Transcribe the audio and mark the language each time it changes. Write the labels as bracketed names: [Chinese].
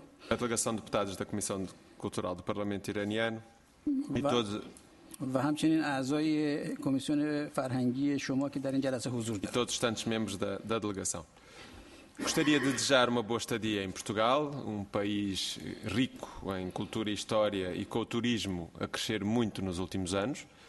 [Portuguese] A delegação de deputados da Comissão Cultural do Parlamento Iraniano e todos. [Persian] و همچنین اعضای کمیسیون فرهنگی شما که در این جلسه حضور دارند. [Portuguese] Todos os restantes membros da delegação. Gostaria de desejar uma boa estadia em Portugal, um país rico em cultura e história e com o turismo a crescer muito nos últimos anos.